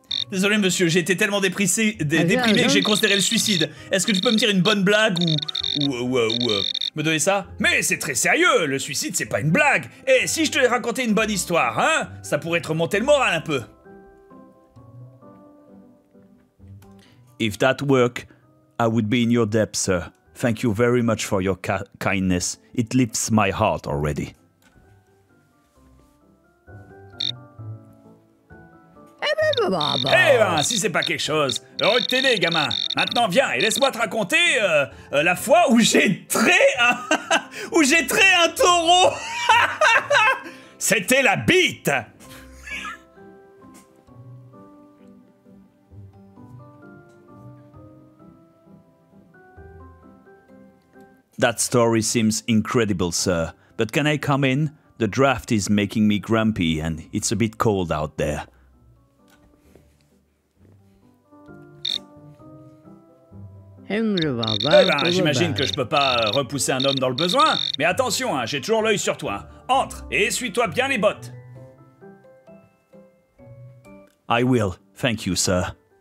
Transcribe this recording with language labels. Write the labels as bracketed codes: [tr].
[fr] Désolé monsieur, j'ai été tellement déprimé que j'ai considéré le suicide. Est-ce que tu peux me dire une bonne blague ou me donner ça? Mais c'est très sérieux, le suicide c'est pas une blague. Et si je te racontais une bonne histoire, hein? Ça pourrait te remonter le moral un peu. [en] If that work, I would be in your depth, sir. Thank you very much for your kindness. It lifts my heart already. [fr] Eh ben Eh ben, si c'est pas quelque chose. Heureux de t'aider, gamin. Maintenant, viens et laisse-moi te raconter la fois où j'ai trait un... où j'ai trait un taureau. C'était la bite. [en] That story seems incredible, sir. But can I come in? The draft is making me grumpy and it's a bit cold out there. [fr] Eh ben, j'imagine que je peux pas repousser un homme dans le besoin. Mais attention, hein, j'ai toujours l'œil sur toi. Entre et essuie-toi bien les bottes. [en] I will. Thank you, sir.